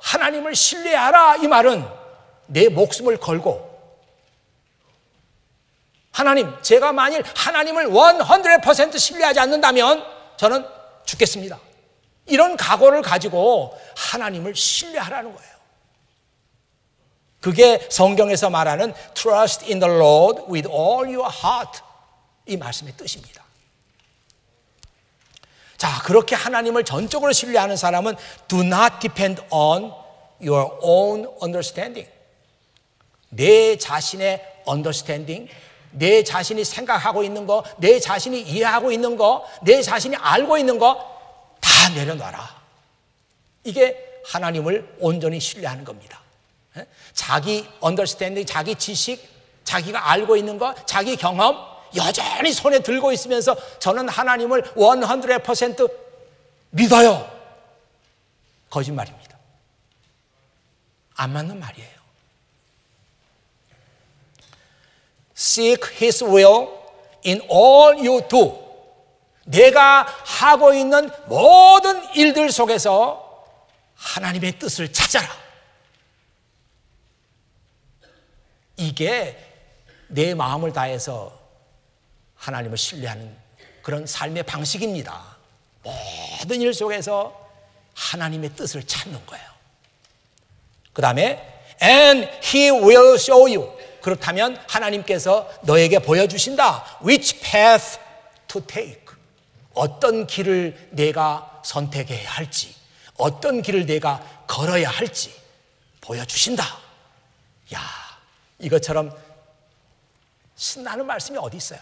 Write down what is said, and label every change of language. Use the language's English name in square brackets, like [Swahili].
[Korean] 하나님을 신뢰하라 이 말은 내 목숨을 걸고 하나님 제가 만일 하나님을 100% 신뢰하지 않는다면 저는 죽겠습니다 이런 각오를 가지고 하나님을 신뢰하라는 거예요. 그게 성경에서 말하는 [English] Trust in the Lord with all your heart [Korean] 이 말씀의 뜻입니다. 자, 그렇게 하나님을 전적으로 신뢰하는 사람은 [English] Do not depend on your own understanding. [Korean] 내 자신의 understanding, 내 자신이 생각하고 있는 거, 내 자신이 이해하고 있는 거, 내 자신이 알고 있는 거 다 내려놔라. 이게 하나님을 온전히 신뢰하는 겁니다. 자기 understanding, 자기 지식, 자기가 알고 있는 것, 자기 경험 여전히 손에 들고 있으면서 저는 하나님을 100% 믿어요. 거짓말입니다. 안 맞는 말이에요. [English] Seek His will in all you do. [Korean] 내가 하고 있는 모든 일들 속에서 하나님의 뜻을 찾아라. 이게 내 마음을 다해서 하나님을 신뢰하는 그런 삶의 방식입니다. 모든 일 속에서 하나님의 뜻을 찾는 거예요. 그 다음에 [English] And He will show you. [Korean] 그렇다면 하나님께서 너에게 보여주신다. [English] Which path to take. [Korean] 어떤 길을 내가 선택해야 할지 어떤 길을 내가 걸어야 할지 보여주신다. 야 이것처럼 신나는 말씀이 어디 있어요?